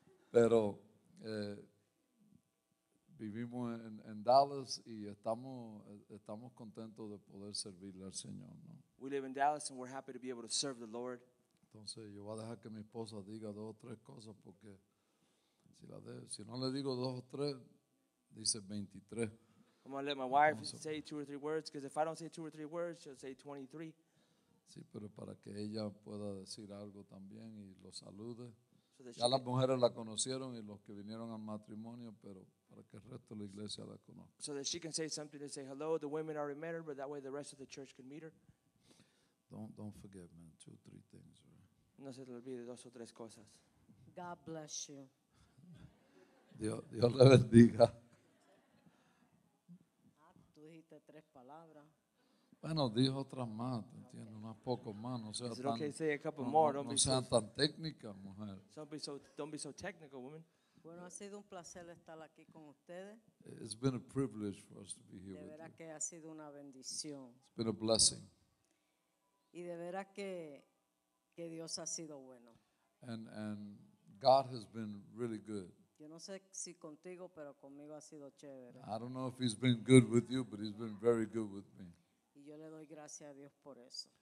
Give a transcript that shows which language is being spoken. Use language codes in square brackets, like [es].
[es] Pero vivimos en Dallas y estamos contentos de poder servirle al Señor, ¿no? [en] We live in Dallas and we're happy to be able to serve the Lord. [es] Entonces, yo voy a dejar que mi esposa diga dos o tres cosas porque si no le digo dos o tres, dice 23. [en] I'm going to let my wife say two or three words because if I don't say two or three words, she'll say 23. [es] Sí, pero para que ella pueda decir algo también y lo salude. Ya las mujeres la conocieron y los que vinieron al matrimonio, pero para que el resto de la iglesia la conozca. [en] So that she can say something to say hello. The women already met her, but that way the rest of the church can meet her. Don't forget, man, two or three things. [es] No se te olvide dos o tres cosas. [en] God bless you. [es] Dios le bendiga. Tú dijiste tres palabras. Bueno, dijo otras más, ¿te entiendes? Okay. Unas pocas más, no sea tan... [en] Is it okay to say a couple more? [es] No sean tan técnica, mujer. [en] Don't be so technical, woman. [es] Bueno, ha sido un placer estar aquí con ustedes. [en] It's been a privilege for us to be here with you. [es] De verdad que ha sido una bendición. [en] It's been a blessing. [es] Y de verdad que Dios ha sido bueno. [en] And God has been really good. [es] Yo no sé si contigo, pero conmigo ha sido chévere. [en] I don't know if he's been good with you, but he's been very good with me. [es] Y yo le doy gracias a Dios por eso.